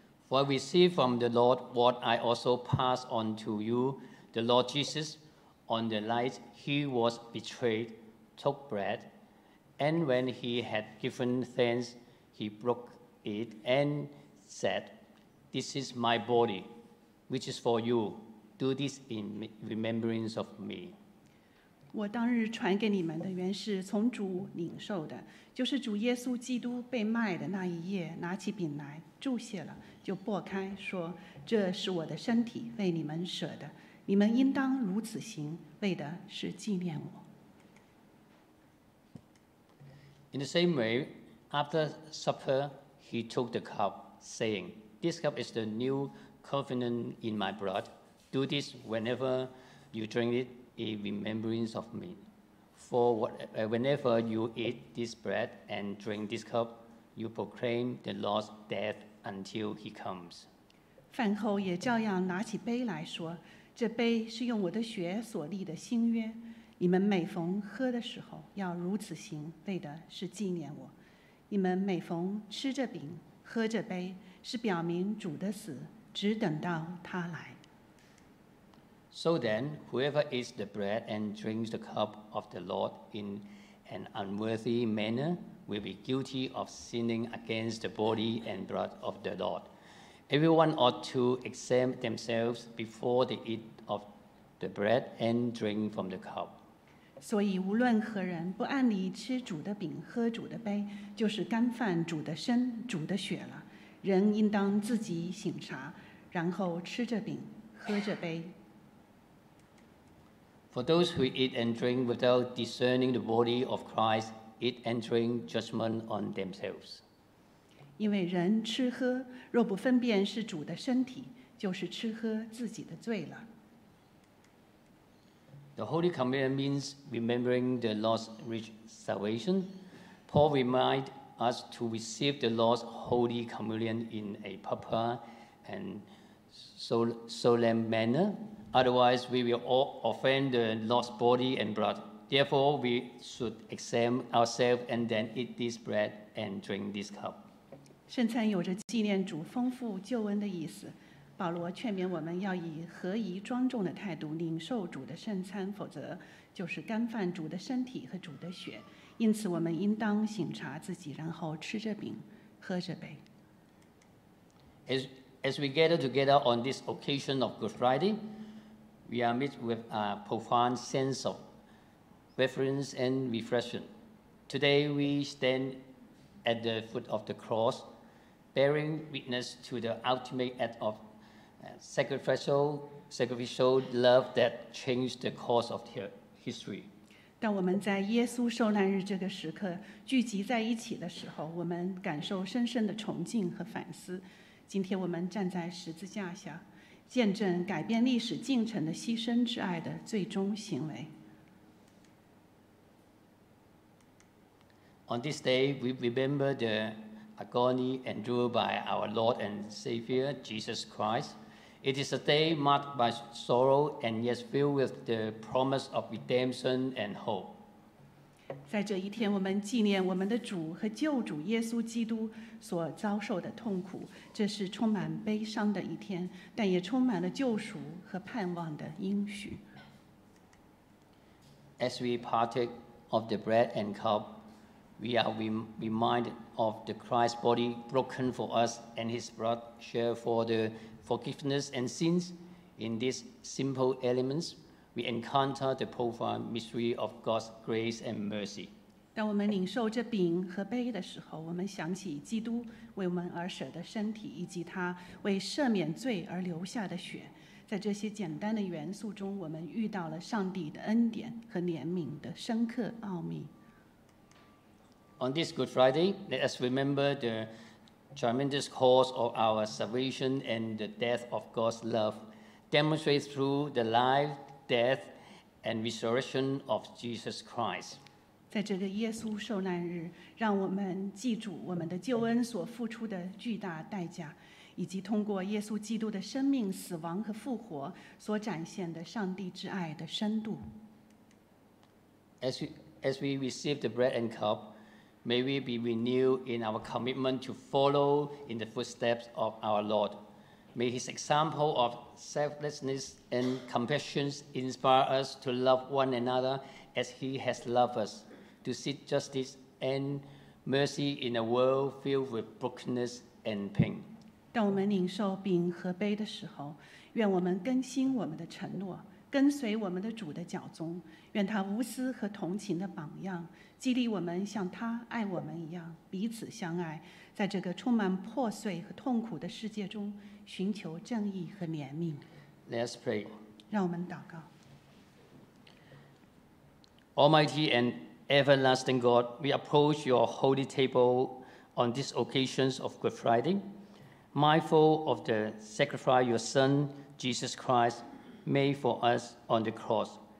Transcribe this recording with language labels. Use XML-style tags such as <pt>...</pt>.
<en>What we see from the Lord, what I also pass on to you, the Lord Jesus, on the night he was betrayed, took bread, and when he had given thanks, he broke it and said, "This is my body, which is for you. Do this in remembrance of me."</en> <zh>我当日传给你们的原是从主领受的，就是主耶稣基督被卖的那一夜，拿起饼来，祝谢了，就擘开，说：“这是我的身体，为你们舍的。你们应当如此行，为的是纪念我。”</zh> <en>In the same way, after supper, he took the cup, saying, "This cup is the new covenant in my blood. Do this whenever you drink it. In remembrance of me. For whenever you eat this bread and drink this cup, you proclaim the Lord's death until he comes."</en> <zh>饭后也照样拿起杯来说，这杯是用我的血所立的新约，你们每逢喝的时候要如此行，为的是纪念我。你们每逢吃这饼，喝这杯，是表明主的死，只等到他来。</zh> <en>So then, whoever eats the bread and drinks the cup of the Lord in an unworthy manner will be guilty of sinning against the body and blood of the Lord. Everyone ought to examine themselves before they eat of the bread and drink from the cup.</en> <zh>所以无论何人不按理吃主的饼喝主的杯，就是干犯主的身主的血了。人应当自己省察，然后吃这饼喝这杯。</zh> <en>For those who eat and drink without discerning the body of Christ eat and drink judgment on themselves.</en> <zh>因为人吃喝若不分辨是主的身体，就是吃喝自己的罪了。</zh> <en>The Holy Communion means remembering the Lord's rich salvation. Paul reminds us to receive the Lord's Holy Communion in a proper and solemn manner. Otherwise, we will all offend the Lord's body and blood. Therefore, we should examine ourselves and then eat this bread and drink this cup.</en> <zh>圣餐有着纪念主丰富救恩的意思。保罗劝勉我们要以合宜庄重的态度领受主的圣餐，否则就是干犯主的身体和主的血。因此，我们应当省察自己，然后吃着饼，喝着杯。</zh> <en>As we gather together on this occasion of Good Friday. We are met with a profound sense of reverence and reflection. Today we stand at the foot of the cross, bearing witness to the ultimate act of sacrificial love that changed the course of history.</en> <zh>当我们在耶稣受难日这个时刻聚集在一起的时候，我们感受深深的崇敬和反思。今天我们站在十字架下。见证改变历史进程的牺牲之爱的最终行为。</zh> <en>On this day, we remember the agony endured by our Lord and Savior Jesus Christ. It is a day marked by sorrow and yet filled with the promise of redemption and hope.</en> <zh>在这一天，我们纪念我们的主和救主耶稣基督所遭受的痛苦。这是充满悲伤的一天，但也充满了救赎和盼望的应许。</zh> <en>As we partake of the bread and cup, we are reminded of the Christ's body broken for us and his blood shed for the forgiveness and sins. In these simple elements, we encounter the profound mystery of God's grace and mercy.</en> <zh>当我们领受这饼和杯的时候，我们想起基督为我们而舍的身体，以及他为赦免罪而流下的血。在这些简单的元素中，我们遇到了上帝的恩典和怜悯的深刻奥秘。</zh> <en>On this Good Friday, let us remember the tremendous cause of our salvation and the depth of God's love, demonstrated through the life, death, and resurrection of Jesus Christ.</en> <zh>在这个耶稣受难日，让我们记住我们的救恩所付出的巨大代价，以及通过耶稣基督的生命、死亡和复活所展现的上帝之爱的深度。</zh> <en>As we receive the bread and cup, May we be renewed in our commitment to follow in the footsteps of our Lord. May his example of selflessness and compassion inspire us to love one another as he has loved us, to seek justice and mercy in a world filled with brokenness and pain.</en> <zh>当我们领受饼和杯的时候，愿我们更新我们的承诺，跟随我们的主的脚踪，愿他无私和同情的榜样激励我们像他爱我们一样彼此相爱，在这个充满破碎和痛苦的世界中寻求正义和怜悯。</zh> <en>Let's pray.</en> <zh>让我们祷告。</zh> <en>Almighty and everlasting God, we approach your holy table on this occasion of Good Friday, mindful of the sacrifice your Son, Jesus Christ, made for us on the cross.</en>